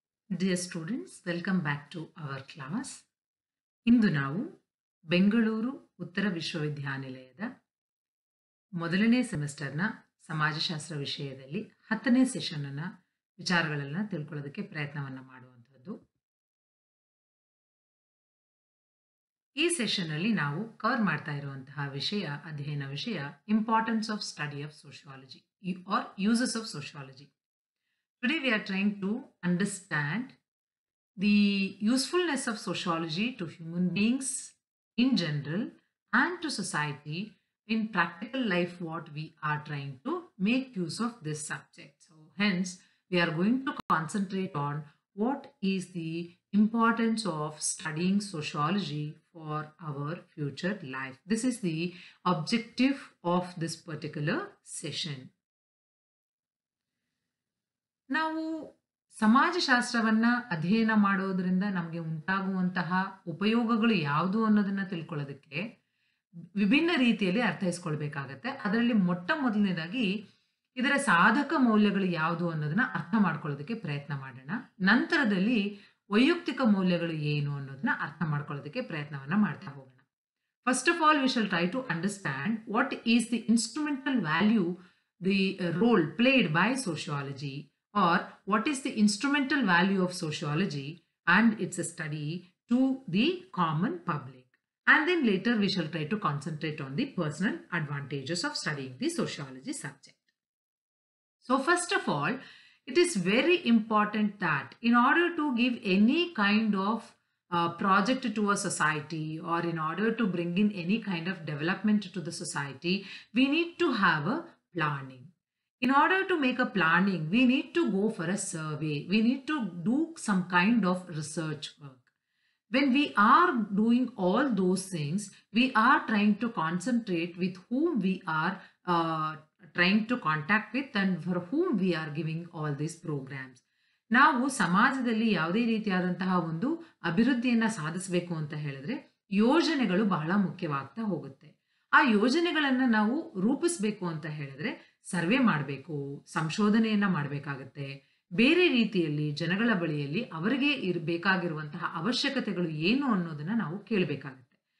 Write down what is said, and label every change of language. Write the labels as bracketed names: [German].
[English] Dear students, welcome back to our class. [Kannada] ಇಂದು ನಾವು ಬೆಂಗಳೂರು ಉತ್ತರ ವಿಶ್ವವಿದ್ಯಾನಿಲಯದ ಮೊದಲನೇ ಸೆಮಿಸ್ಟರ್ನ ಸಮಾಜಶಾಸ್ತ್ರ ವಿಷಯದಲ್ಲಿ ಹತ್ತನೇ ಸೆಷನ್ ಅನ್ನು ವಿಚಾರಗಳನ್ನು ತಿಳ್ಕೊಳ್ಳೋದಕ್ಕೆ ಪ್ರಯತ್ನವನ್ನು ಮಾಡುವಂಥದ್ದು. ಈ ಸೆಷನ್ನಲ್ಲಿ ನಾವು ಕವರ್ ಮಾಡ್ತಾ ಇರುವಂತಹ ವಿಷಯ ಅಧ್ಯಯನ ವಿಷಯ [English] Importance of study of sociology or uses of sociology. Today we are trying to understand the usefulness of sociology to human beings in general and to society in practical life, what we are trying to make use of this subject. So hence we are going to concentrate on what is the importance of studying sociology for our future life. This is the objective of this particular session. [Kannada] ನಾವು ಸಮಾಜಶಾಸ್ತ್ರವನ್ನು ಅಧ್ಯಯನ ಮಾಡೋದರಿಂದ ನಮಗೆ ಉಂಟಾಗುವಂತಹ ಉಪಯೋಗಗಳು ಯಾವುದು ಅನ್ನೋದನ್ನು ತಿಳ್ಕೊಳ್ಳೋದಕ್ಕೆ ವಿಭಿನ್ನ ರೀತಿಯಲ್ಲಿ ಅರ್ಥೈಸ್ಕೊಳ್ಬೇಕಾಗತ್ತೆ. ಅದರಲ್ಲಿ ಮೊಟ್ಟ ಮೊದಲನೇದಾಗಿ ಇದರ ಸಾಧಕ ಮೌಲ್ಯಗಳು ಯಾವುದು ಅನ್ನೋದನ್ನು ಅರ್ಥ ಮಾಡ್ಕೊಳ್ಳೋದಕ್ಕೆ ಪ್ರಯತ್ನ ಮಾಡೋಣ. ನಂತರದಲ್ಲಿ ವೈಯಕ್ತಿಕ ಮೌಲ್ಯಗಳು ಏನು ಅನ್ನೋದನ್ನು ಅರ್ಥ ಮಾಡ್ಕೊಳ್ಳೋದಕ್ಕೆ ಪ್ರಯತ್ನವನ್ನು ಮಾಡ್ತಾ ಹೋಗೋಣ. [English] First of all we shall try to understand what is the instrumental value the role played by sociology or what is the instrumental value of sociology and its study to the common public, and then later we shall try to concentrate on the personal advantages of studying the sociology subject. So first of all, it is very important that in order to give any kind of project to a society or in order to bring in any kind of development to the society, we need to have a planning. In order to make a planning, we need to go for a survey. We need to do some kind of research work. When we are doing all those things, we are trying to concentrate with whom we are trying to contact with and for whom we are giving all these programs. [Kannada] ನಾವು ಸಮಾಜದಲ್ಲಿ ಯಾವುದೇ ರೀತಿಯಾದಂತಹ ಒಂದು ಅಭಿವೃದ್ಧಿಯನ್ನು ಸಾಧಿಸಬೇಕು ಅಂತ ಹೇಳಿದ್ರೆ ಯೋಜನೆಗಳು ಬಹಳ ಮುಖ್ಯವಾಗ್ತಾ ಹೋಗುತ್ತೆ. ಆ ಯೋಜನೆಗಳನ್ನು ನಾವು ರೂಪಿಸಬೇಕು ಅಂತ ಹೇಳಿದ್ರೆ ಸರ್ವೆ ಮಾಡಬೇಕು, ಸಂಶೋಧನೆಯನ್ನು ಮಾಡಬೇಕಾಗತ್ತೆ. ಬೇರೆ ರೀತಿಯಲ್ಲಿ ಜನಗಳ ಬಳಿಯಲ್ಲಿ ಅವರಿಗೆ ಇರಬೇಕಾಗಿರುವಂತಹ ಅವಶ್ಯಕತೆಗಳು ಏನು ಅನ್ನೋದನ್ನು ನಾವು ಕೇಳಬೇಕಾಗತ್ತೆ.